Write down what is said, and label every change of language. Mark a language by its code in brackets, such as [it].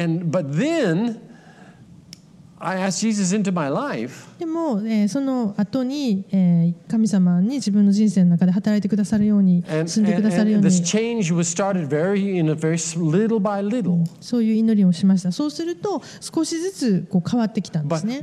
[en] But then I asked Jesus into my life. [ja] でも、その後に、神様に自分の人生の中で働いてくださるように、住んでくださるように。 [en] And this change was started very in a very little by little. [ja] そういう祈りをしました。そうすると少しずつこう変わってきたんですね。